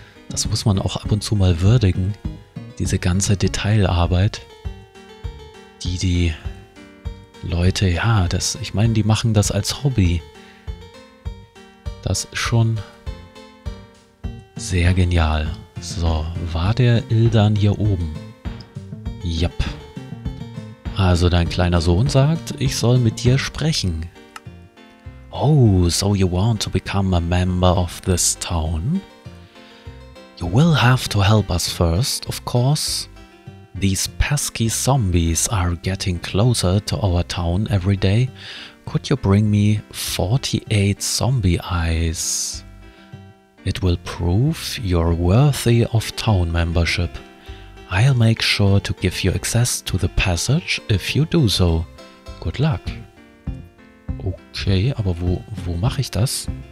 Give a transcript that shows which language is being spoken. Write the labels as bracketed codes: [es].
[de] Das muss man auch ab und zu mal würdigen, diese ganze Detailarbeit, die Leute, ja, das, ich meine, die machen das als Hobby. Das ist schon sehr genial. So, war der Ildan hier oben? Jap. Also dein kleiner Sohn sagt, ich soll mit dir sprechen. [en] Oh, so you want to become a member of this town? You will have to help us first, of course. These pesky zombies are getting closer to our town every day. Could you bring me 48 zombie eyes? It will prove you're worthy of town membership. I'll make sure to give you access to the passage if you do so. Good luck. [de] Okay, aber wo mache ich das?